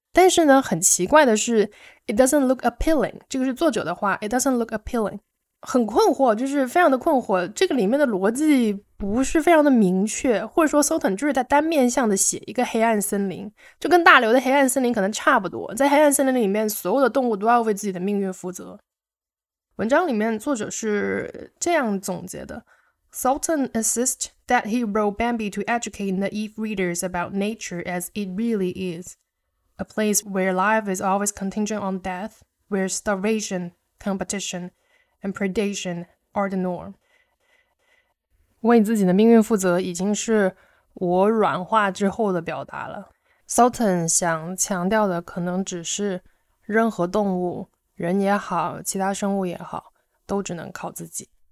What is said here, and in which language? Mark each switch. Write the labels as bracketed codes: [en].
[zh] 但是呢，很奇怪的是 [en] It doesn't look appealing， [zh] 这个是作者的话， It doesn't look appealing， 很困惑，就是非常的困惑，这个里面的逻辑不是非常的明确，或者说 Salton 就是在单面向的写一个黑暗森林，就跟大刘的黑暗森林可能差不多。在黑暗森林里面，所有的动物都要为自己的命运负责。文章里面作者是这样总结的， [en] Salton insists that he wrote Bambi to educate naive readers about nature as it really is, a place where life is always contingent on death, where starvation, competition, and predation are the norm. [zh] 为自己的命运负责已经是我软化之后的表达了。 Salton 想强调的可能只是任何动物，人也好，其他生物也好，都只能靠自己。